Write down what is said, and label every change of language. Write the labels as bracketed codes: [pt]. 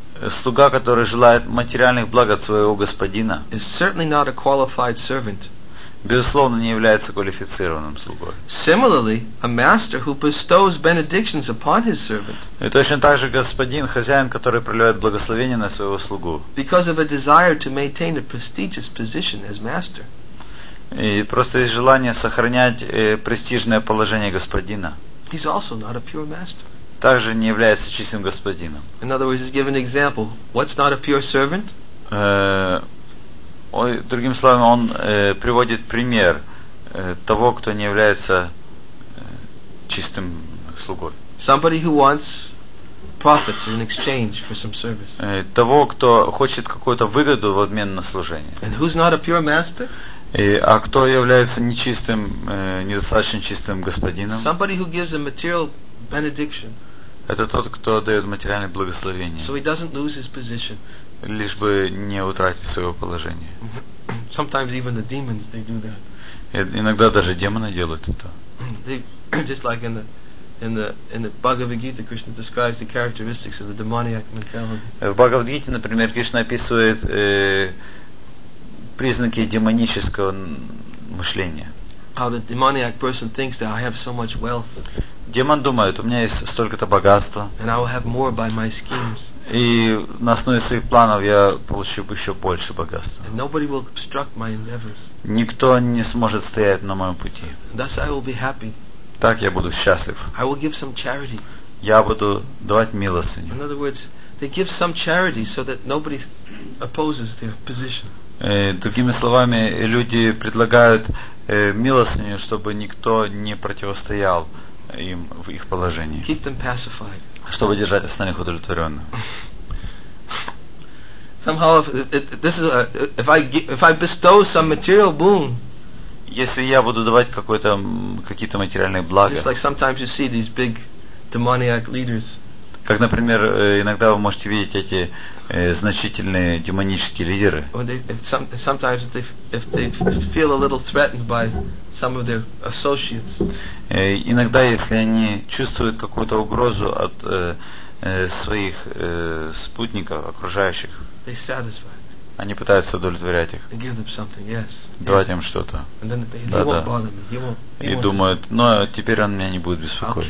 [ru] Слуга, который желает материальных благ от своего господина, безусловно, не является квалифицированным слугой. [en] Similarly, a master who bestows benedictions upon his servant. [ru] И точно так же господин, хозяин, который проливает благословение на своего слугу. [en] Because of a desire to maintain a prestigious position as master. [ru] И просто из желания сохранять престижное положение господина. [en] He's also not a pure master. [ru] Также не является чистым господином. [en] In other words, he's given an example. What's not a pure servant? [ru] Другим словом, он приводит пример того, кто не является чистым слугой. [en] Somebody who wants profits in exchange for some service. [ru] Того, кто хочет какую-то выгоду в обмен на служение. [en] And who's not a pure master? [ru] А кто является нечистым, недостаточно чистым господином? [en] Somebody who gives a material benediction. [ru] Это тот, кто дает материальное благословение. [en] So he doesn't lose his position. [ru] Лишь бы не утратить своего положения. [en] Sometimes even the demons, they do that. [ru] Иногда даже демоны делают это. [en] Just like in the Bhagavad Gita, Krishna describes the characteristics of the demoniac mentality. [ru] В Бхагавад Гите, например, Кришна описывает признаки демонического мышления. [en] How the demoniac person thinks that I have so much wealth. [ru] Демон думает, у меня есть столько-то богатства. [en] And I will have more by my schemes. [ru] И на основе своих планов я получу еще больше богатства. [en] And nobody will obstruct my endeavors. [ru] Никто не сможет стоять на моем пути. [en] Thus I will be happy. [ru] Так я буду счастлив. [en] I will give some charity. [ru] Я буду давать милостыню. [en] In other words, they give some charity so that nobody opposes their position. [ru] Другими словами, люди предлагают милостыню, чтобы никто не противостоял им в их положении. [en] Keep them pacified. [ru] Чтобы держать остальных удовлетворенных. [en] Somehow, if I bestow some material boon, [ru] если я буду давать какие-то материальные блага, [en] just like sometimes you see these big demoniac leaders. [ru] Как, например, иногда вы можете видеть эти значительные демонические лидеры. [en] Sometimes if they feel a little threatened by some of their associates. [ru] Иногда, если они чувствуют какую-то угрозу от своих спутников, окружающих, [en] they satisfy. [ru] Они пытаются удовлетворять их. [en] Give them something, yes. [ru] Давать им что-то. [en] And then they, [ru] да, [en] won't bother me. He won't [ru] и думают, ну, теперь он меня не будет беспокоить.